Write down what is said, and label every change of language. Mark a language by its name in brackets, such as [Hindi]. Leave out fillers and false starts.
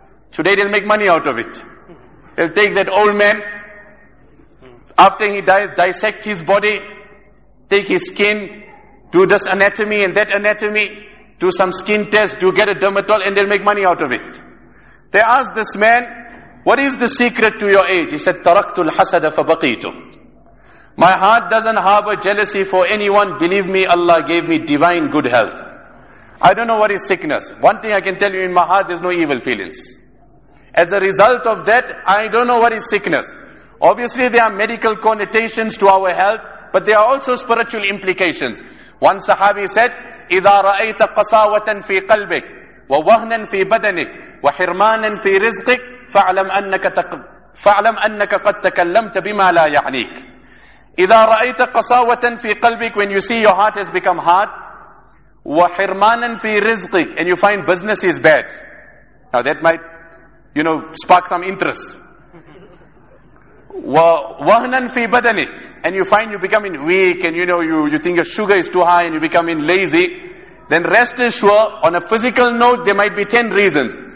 [English] Today they'll make money out of it. They'll take that old man, after he dies, dissect his body, take his skin, do this anatomy and that anatomy, do some skin test, do get a dermatol, and they'll make money out of it. They asked this man, what is the secret to your age? He said, [Arabic] تَرَكْتُ الْحَسَدَ فَبَقِيْتُ. [English] My heart doesn't harbor jealousy for anyone. Believe me, Allah gave me divine good health. I don't know what is sickness. One thing I can tell you, in my heart there's no evil feelings. As a result of that, I don't know what is sickness. Obviously, there are medical connotations to our health, but there are also spiritual implications. One Sahabi said, [Arabic] إِذَا رَأَيْتَ قَسَاوَةً فِي قَلْبِكَ وَوَهْنًا فِي بَدَنِكَ وَحِرْمَانًا فِي رِزْقِكَ فَعْلَمْ أَنَّكَ قَدْ تَكَلَّمْتَ بِمَا لَا يَعْنِيكَ. إِذَا رَأَيْتَ قَسَاوَةً فِي قَلْبِكَ, [English] when you see your heart has become hard, [Arabic] وَحِرْمَانًا فِي رِزْقِكَ, [English] and you find business is bad. Now that might, you know, spark some interest. [Arabic] وَهْنًا فِي بَدَنِكَ, [English] and you find you're becoming weak, and you know, you think your sugar is too high, and you're becoming lazy, then rest assured, on a physical note, there might be 10 reasons.